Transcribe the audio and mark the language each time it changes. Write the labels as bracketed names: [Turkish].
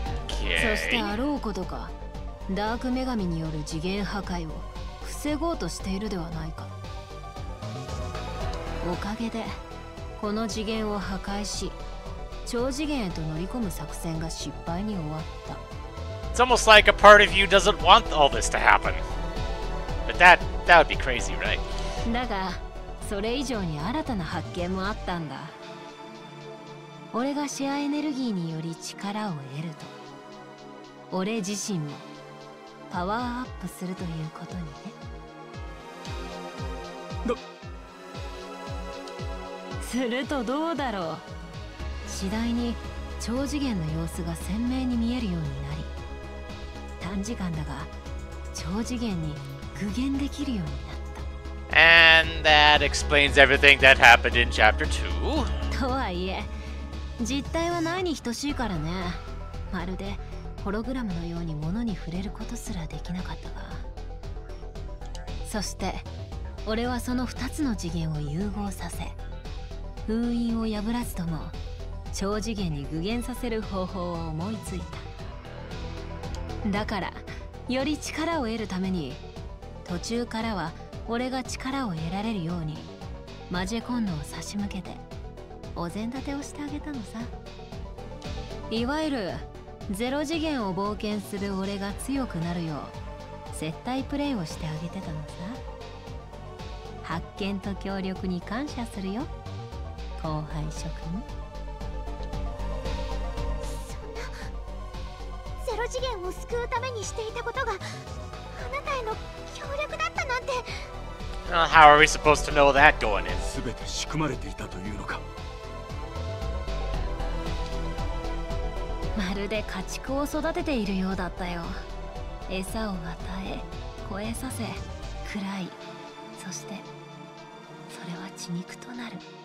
[Japanese] そしてあろうことか、ダーク女神による次元破壊を防ごうとしているではないか。おかげでこの次元を破壊し超次元へと乗り込む作戦が失敗に終わった。 [English] It's almost like a part of you doesn't want all this to happen. But that would be crazy, right? [Japanese] だが、それ以上に新たな発見もあったんだ。俺がシェアエネルギーにより力を得ると、俺自身もパワーアップするということにね。するとどうだろう。次第に超次元の様子が鮮明に見えるようになり、短時間だが超次元に具現できるようになった。 [English] And that explains everything that happened in chapter 2. [Japanese] とはいえ実体はないに等しいからね。まるでホログラムのように物に触れることすらできなかったが、そして俺はその2つの次元を融合させ、封印を破らずとも超次元に具現させる方法を思いついた。だからより力を得るために、途中からは俺が力を得られるようにマジェコンヌを差し向けてお膳立てをしてあげたのさ。いわゆるゼロ次元を冒険する俺が強くなるよう接待プレイをしてあげてたのさ。発見と協力に感謝するよ、後輩諸君。ゼロ次元を救うためにしていたことがあなたへの協力だったなんて。 [English] Well, how are we supposed to know that going in? [Japanese] 全て仕組まれていたというのか。まるで家畜を育てているようだったよ。餌を与え、肥えさせ、喰らい、そしてそれは血肉となる。